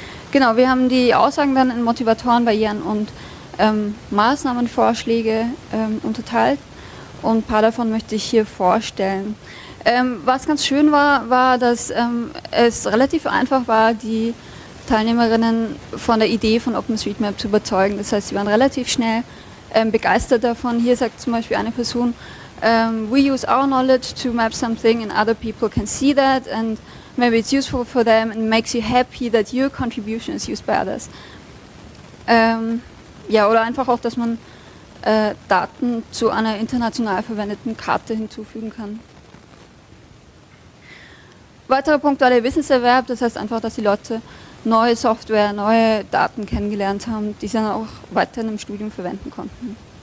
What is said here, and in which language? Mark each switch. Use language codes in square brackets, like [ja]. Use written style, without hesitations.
[de] Genau, wir haben die Aussagen dann in Motivatoren, Barrieren und Maßnahmenvorschläge unterteilt und ein paar davon möchte ich hier vorstellen. Was ganz schön war, war, dass es relativ einfach war, die Teilnehmerinnen von der Idee von OpenStreetMap zu überzeugen. Das heißt, sie waren relativ schnell begeistert davon. Hier sagt zum Beispiel eine Person, [en] we use our knowledge to map something and other people can see that and maybe it's useful for them and makes you happy that your contribution is used by others. [de] Ja, oder einfach auch, dass man Daten zu einer international verwendeten Karte hinzufügen kann. Weiterer Punkt war der Wissenserwerb, das heißt einfach, dass die Leute neue Software, neue Daten kennengelernt haben, die sie dann auch weiterhin im Studium verwenden konnten.